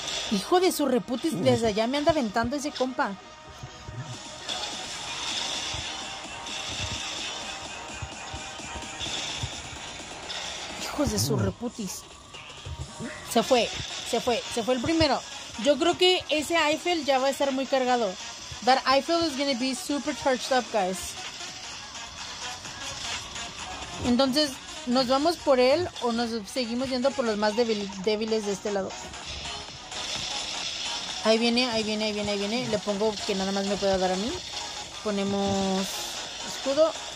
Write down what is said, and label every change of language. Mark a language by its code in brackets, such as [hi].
[es] Hijo de su reputis, desde allá me anda aventando ese compa. Hijos de su reputis. Se fue el primero. Yo creo que ese Eiffel ya va a estar muy cargado. [en] That Eiffel is gonna be super charged up, guys. [es] Entonces, ¿nos vamos por él o nos seguimos yendo por los más débiles de este lado? Ahí viene, ahí viene, ahí viene, ahí viene. Le pongo que nada más me pueda dar a mí. Ponemos escudo.